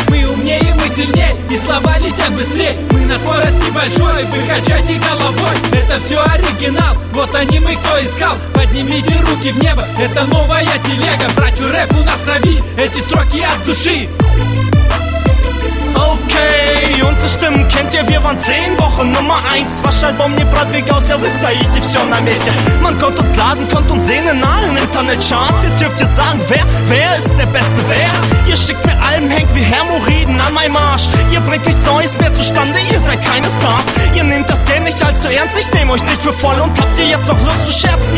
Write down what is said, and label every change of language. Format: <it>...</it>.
<ru>Мы умнее, мы сильнее, и слова летят быстрее. Мы на скорости большой, вы качайте головой. Это все оригинал, вот они мы кто искал. Поднимите руки в небо, это новая телега. Братью рэп у нас крови, эти строки от души.</ru> <de>Окей, unsere Stimmen kennt ihr, wir waren 10 Wochen Nummer 1.</de> <ru>Ваш альбом не продвигался, вы стоите все на месте.</ru> <de>Man konnte uns laden, konnte uns sehen in allen Internet-Charts. Jetzt dürft ihr sagen, wer ist der Beste, wer? Ihr schickt mir Alben, hängt wie Hämorrhoiden an meinem Arsch. Ihr bringt nichts Neues mehr zustande, ihr seid keine Stars. Ihr nehmt das Game nicht allzu ernst, ich nehm euch nicht für voll. Und habt ihr jetzt noch Lust zu scherzen?</de>